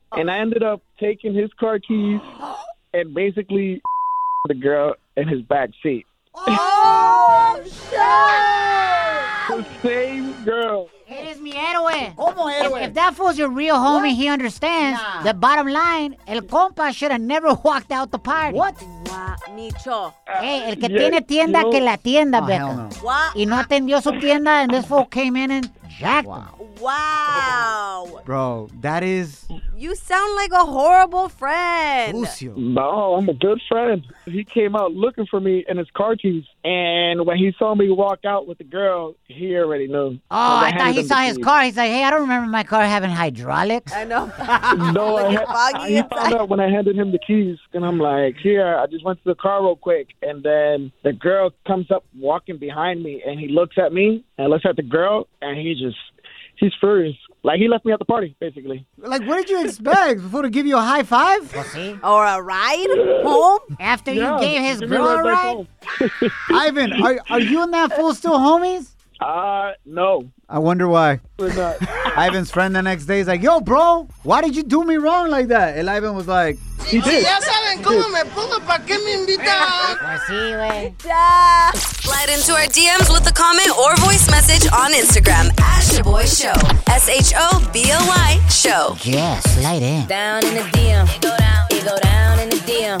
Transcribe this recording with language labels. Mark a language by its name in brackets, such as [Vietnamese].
[English] And I ended up taking his car keys and basically the girl in his back seat. Oh, shit! The same girl. [Spanish] Eres mi héroe. ¿Cómo héroe? [English] If that fool's your real homie, what? He understands. Nah. The bottom line, [Spanish] el compa [English] should have never walked out the party. What? Nicho. [Spanish] Hey, el que tiene tienda, que la tienda, oh, [English] Becca. No. [Spanish] Y no atendió su tienda, [English] and this fool came in and jacked him. Wow. Bro, that is... You sound like a horrible friend. Lucio. No, I'm a good friend. He came out looking for me in his car keys, and when he saw me walk out with the girl, he already knew. Oh, I thought he saw his car. He's like, hey, I don't remember my car having hydraulics. I know. No, he found out when I handed him the keys, and I'm like, here, I just went to the car real quick, and then the girl comes up walking behind me, and he looks at me, and looks at the girl, and he just... He's furious. Like, he left me at the party, basically. Like, what did you expect? Before to give you a high five? Or a ride home? After you gave his girl a ride? Ivan, are you and that fool still homies? No. I wonder why. We're not. Ivan's friend the next day is like, yo, bro, why did you do me wrong like that? And Ivan was like, he did. [Spanish] Ya saben cómo me pongo, ¿pa qué me invitan? Pues sí, güey. [English] Slide into our DMs with a comment or voice message on Instagram. Ask your boy show. S-H-O-B-O-Y show. Yeah, slide in. Down in the DM. You go down in the DM.